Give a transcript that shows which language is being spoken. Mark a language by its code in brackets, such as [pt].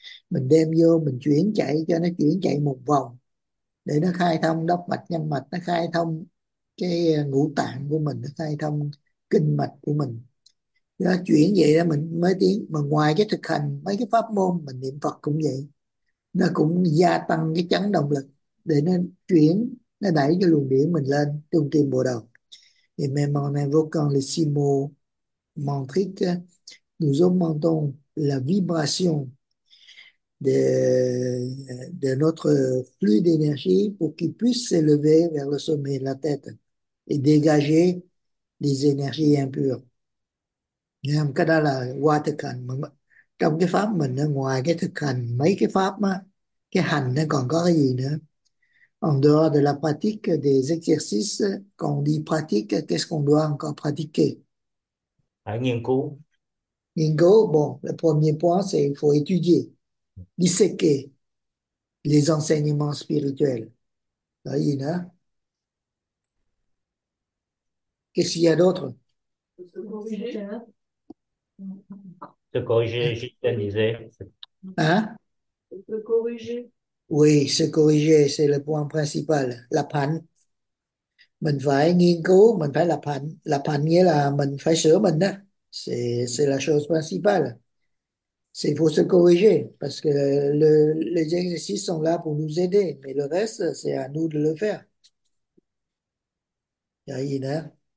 [vi] Mình đem vô, mình chuyển chạy cho nó chuyển chạy một vòng. Để nó khai thông đốc mạch, nhâm mạch, nó khai thông cái ngũ tạng của mình, nó khai thông kinh mạch của mình. Nó chuyển vậy đó mình mới tiến. Mà ngoài cái thực hành, mấy cái pháp môn, mình niệm Phật cũng vậy. Nó cũng gia tăng cái chấn động lực để nó chuyển, nó đẩy cái luồng điển mình lên trung tâm bộ đầu. [fr] Et même en invoquant les six mots mantriques, nous augmentons la vibration de notre flux d'énergie pour qu'il puisse s'élever vers le sommet de la tête et dégager des énergies impures. [vi] Cái đó là qua thực hành. Trong cái pháp mình, ngoài cái thực hành, mấy cái pháp, cái hành nó còn có cái gì nữa? [fr] En dehors de la pratique des exercices, quand on dit pratique, qu'est-ce qu'on doit encore pratiquer? [vi] Nghiên cứu. Nghiên cứu, [fr] bon, le premier point, c'est qu'il faut étudier. Disséquer les enseignements spirituels. Qu'est-ce qu'il y a d'autre? Se corriger. Se corriger, je te disais. Hein? On peut corriger. Oui, se corriger, c'est le point principal. La panne. [vi] Mình phải nghiên cứu, mình phải lập hành. Lập hành nghĩa là mình phải sửa mình đó. [fr] C'est la chose principale. C'est pour se corriger, parce que les exercices sont là pour nous aider, mais le reste, c'est à nous de le faire. Yaïna.